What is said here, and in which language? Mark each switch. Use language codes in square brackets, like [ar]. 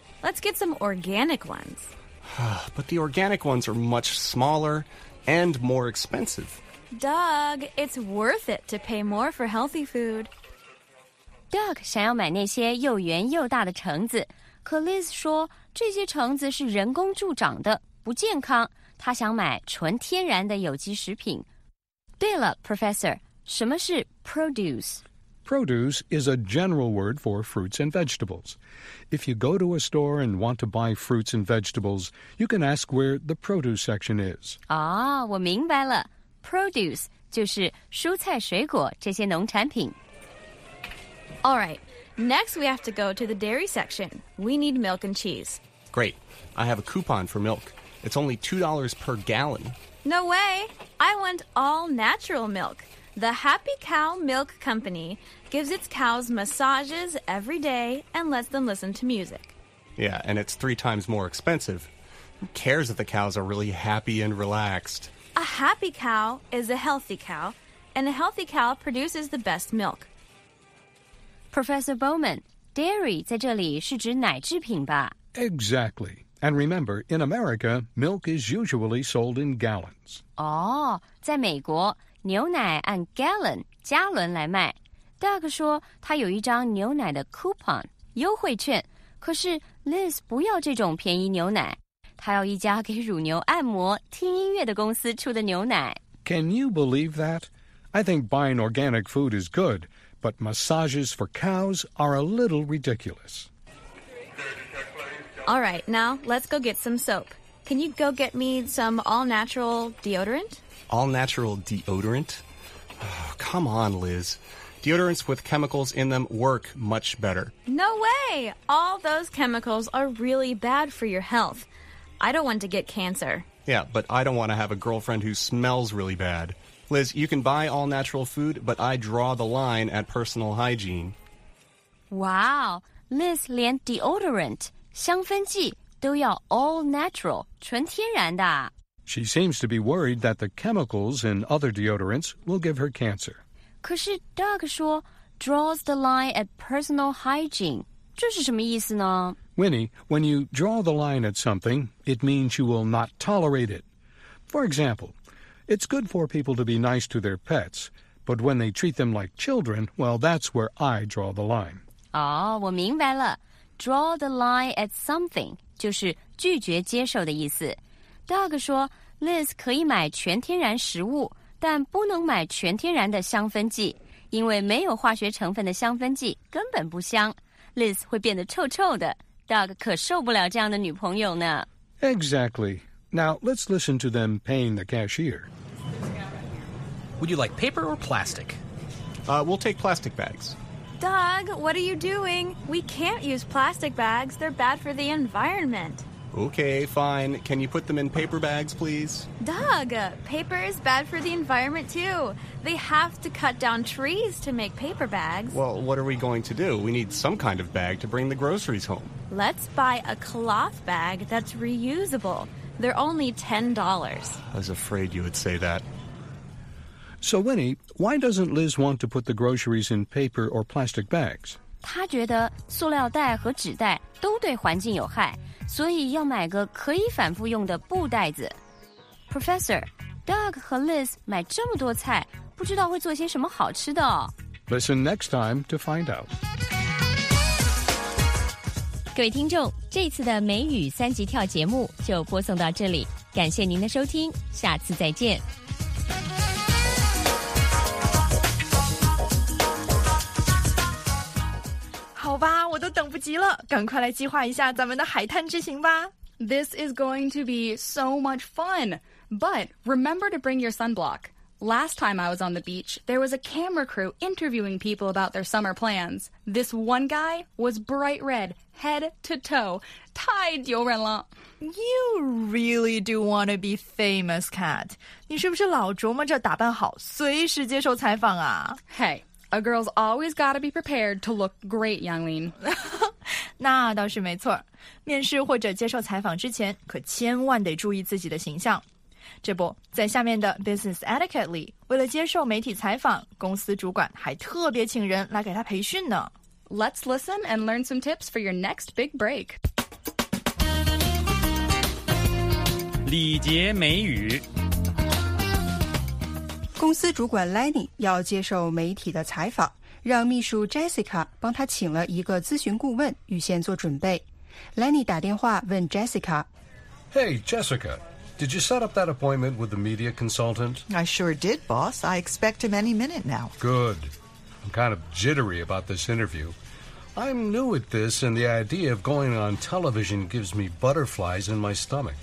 [en] Let's get some organic ones. But the organic ones are much smaller and more expensive. Doug, it's worth it to pay more for healthy food. [zh] Doug 想要买那些又圆又大的橙子，可 Liz 说这些橙子是人工助长的，不健康。他想买纯天然的有机食品。对了 ，Professor。什么是 produce? [en] Produce is a general word for fruits and vegetables. If you go to a store and want to buy fruits and vegetables, you can ask where the produce section is. [zh] 哦，我明白了。 Produce 就是蔬菜水果这些农产品。 [en] All right, next we have to go to the dairy section. We need milk and cheese. Great, I have a coupon for milk. It's only $2 per gallon. No way, I want all natural milk. The Happy Cow Milk Company gives its cows massages every day and lets them listen to music. Yeah, and it's 3 times more expensive. Who cares if the cows are really happy and relaxed? A happy cow is a healthy cow, and a healthy cow produces the best milk. [zh] Professor Bowman, dairy 在这里是指奶制品吧？ [en] Exactly. And remember, in America, milk is usually sold in gallons. [zh] Oh, 在美国牛奶按 gallon 加仑来卖。 Doug 说他有一张牛奶的 coupon 优惠券，可是 Liz 不要这种便宜牛奶，他要一家给乳牛按摩、听音乐的公司出的牛奶。 [en] Can you believe that? I think buying organic food is good, but massages for cows are a little ridiculous. All right, now let's go get some soap. Can you go get me some all-natural deodorant? All-natural deodorant? Oh, come on, Liz. Deodorants with chemicals in them work much better. No way! All those chemicals are really bad for your health. I don't want to get cancer. Yeah, but I don't want to have a girlfriend who smells really bad. Liz, you can buy all-natural food, but I draw the line at personal hygiene. Wow! [zh] Liz, 连 deodorant, 香氛剂都要 all-natural, 纯天然的。 [en] She seems to be worried that the chemicals in other deodorants will give her cancer. [zh] 可是 [en] Doug [zh] 说 [en] draws the line at personal hygiene. [zh] 这是什么意思呢？ [en] Winnie, when you draw the line at something, it means you will not tolerate it. For example, it's good for people to be nice to their pets, but when they treat them like children, well, that's where I draw the line. [zh] 哦，我明白了。 [en] Draw the line at something [zh] 就是拒绝接受的意思。 Doug 说 Liz 可以买全天然食物，但不能买全天然的香氛剂，因为没有化学成分的香氛剂根本不香， Liz 会变得臭臭的。 Doug 可受不了这样的女朋友呢。 [en] Exactly. Now, let's listen to them paying the cashier. Would you like paper or plastic? We'll take plastic bags. Doug, what are you doing? We can't use plastic bags. They're bad for the environment. Okay, fine. Can you put them in paper bags, please? Doug, paper is bad for the environment, too. They have to cut down trees to make paper bags. Well, what are we going to do? We need some kind of bag to bring the groceries home. Let's buy a cloth bag that's reusable. They're only $10. I was afraid you would say that. So, Winnie, why doesn't Liz want to put the groceries in paper or plastic bags? [zh] 她觉得塑料袋和纸袋都对环境有害，所以要买个可以反复用的布袋子。 Professor, Doug 和 Liz 买这么多菜，不知道会做些什么好吃的哦。 [en] Listen next time to find out. [zh] 各位听众，这次的美语三级跳节目就播送到这里，感谢您的收听，下次再见。好吧，我都等不及了，赶快来计划一下咱们的海滩之行吧。 [en] This is going to be so much fun. But remember to bring your sunblock. Last time I was on the beach, there was a camera crew interviewing people about their summer plans. This one guy was bright red, head to toe. [zh] 太丢人了。 [en] You really do want to be famous, Kat. [zh] 你是不是老琢磨着打扮好，随时接受采访啊？ [en] Hey. A girl's always got to be prepared to look great, Yanglin. [zh] 那倒是没错。面试或者接受采访之前，可千万得注意自己的形象。这不，在下面的 business etiquette 里，为了接受媒体采访，公司主管还特别请人来给他培训呢。 [en] Let's listen and learn some tips for your next big break. [zh] 礼节美语。公司主管 Lenny 要接受媒体的采访，让秘书 Jessica 帮他请了一个咨询顾问预先做准备。 Lenny 打电话问 Jessica， [en] Hey Jessica， did you set up that appointment with the media consultant？ I sure did boss， I expect him any minute now。 Good， I'm kind of jittery about this interview。 I'm new at this and the idea of going on television gives me butterflies in my stomach。